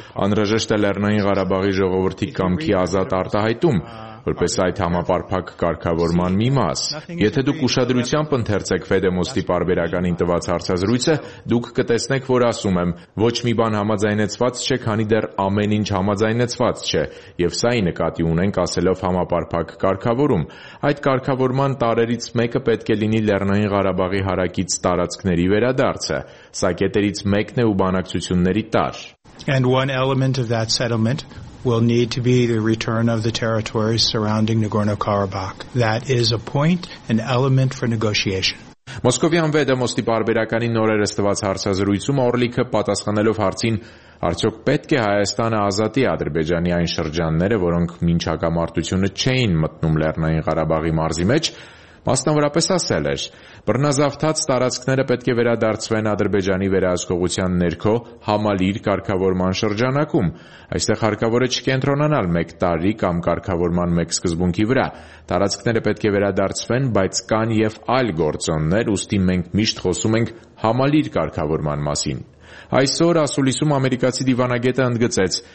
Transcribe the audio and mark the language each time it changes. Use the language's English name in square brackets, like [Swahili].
[Armenian] անհրաժեշտ է Լեռնային Ղարաբաղի ժողովրդի կամքի ազատ արտահայտում, որպես այդ համապարփակ կարգավորման մի մաս։ Եթե դուք ուշադրությամբ ընթերցեք Ֆեդեմոստի պարբերականին տված հարցազրույցը, դուք կտեսնեք, որ ասում եմ, ոչ մի բան համաձայնեցված չէ, քանի դեռ ամեն ինչ համաձայնեցված չէ, եւ սա ի նկատի ունենք ասելով համապարփակ կարգավորում։ Այդ կարգավորման տարերից մեկը պետք է լինի Լեռնային Ղարաբաղի հարակից տարածքների վերադարձը, սա կետերից մեկն է ու բանակցությունների տար։ [English] And one element of that settlement will need to be the return of the territories surrounding Nagorno-Karabakh. That is a point, an element for negotiation. [Armenian] Մոսկովյան Ֆեդեմոստի պարբերականի նորերս տված հարցազրույցում Օրլիքը, պատասխանելով հարցին, արդյոք պետք է Հայաստանը ազատի Ադրբեջանի այն շրջանները, որոնք մինչ հակամարտությունը չէին մտնում Լեռնային Ղարաբաղի մարզի մեջ, մասնավորապես ասել էր. Բռնազավթած տարածքները պետք է վերադարձվեն Ադրբեջանի վերահսկողության ներքո համալիր կարգավորման շրջանակում։ Այստեղ հարկավոր է չկենտրոնանալ մեկ տարի կամ կարգավորման մեկ սկզբունքի վրա։ Տարածքները պետք է վերադարձվեն, բայց կան եւ այլ գործոններ, ուստի մենք միշտ խոսում ենք համալիր կարգավորման մասին։ Այսօր ասուլիսում ամերիկացի դիվանագետը ընդգծեց.